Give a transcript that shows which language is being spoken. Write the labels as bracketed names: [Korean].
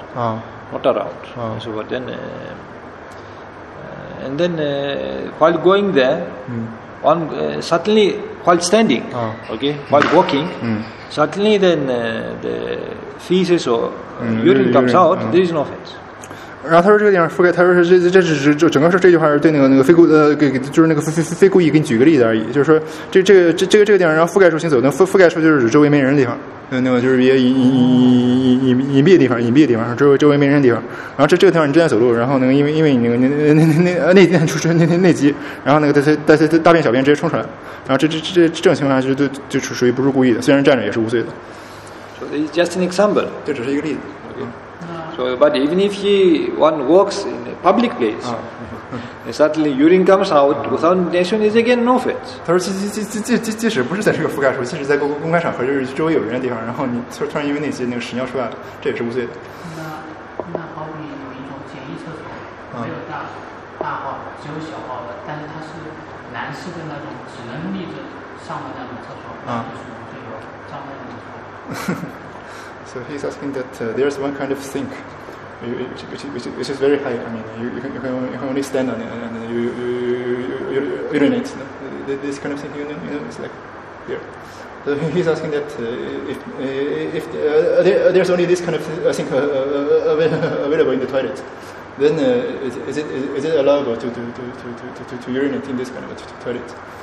[English] Not around. So but then, and then while going there, one suddenly while standing, while walking, suddenly then the feces or urine comes out. There is no offense. [Chinese] 然后他说这个地方覆盖，他说这整个说这句话是对那个非故就是那个非故意给你举个例子而已，就是说这个地方然后覆盖出行走，那覆盖出就是周围没人的地方，那个就是别隐蔽的地方，隐蔽的地方周围没人的地方，然后这个地方你正在走路，然后那个因为你那就是内急，然后那个在大便小便直接冲出来，然后这种情况下就属于不是故意的，虽然站着也是无罪的。 [English] So it's just an example. [Chinese] 这只是一个例子。 [English] So, but even if one walks in a public place, and suddenly urine comes out without intention, is again no offense. [Chinese] 他说，即使不是在这个覆盖处，即使在公开场合，就是周围有人的地方，然后你突然因为那些那个屎尿出来了，这也是无罪的。那好比有一种简易厕所，没有大大号的，只有小号的，但是它是男士的那种只能立着上的那种厕所，就是这个上面的那种厕所。 [English] So he's asking that there's one kind of sink, which is very high. I mean, you can only stand on it and you urinate. No? This kind of sink, you know, it's like here. So he's asking that if there's only this kind of sink available in the toilet, then is it allowable to urinate in this kind of toilet?